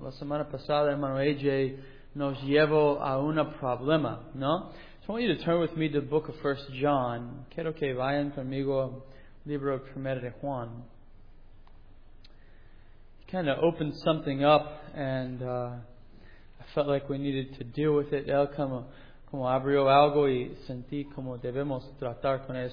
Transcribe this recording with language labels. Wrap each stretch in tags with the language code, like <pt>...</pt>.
<es>La semana pasada, hermano AJ nos llevó a un problema, ¿no?</es> <en>So I want you to turn with me to the book of 1 John.</en> <es>Quiero que vayan conmigo al libro primero de Juan.</es> <en>Kind of opened something up and I felt like we needed to deal with it.</en> <es>Él como abrió algo y sentí como debemos tratar con él.</es>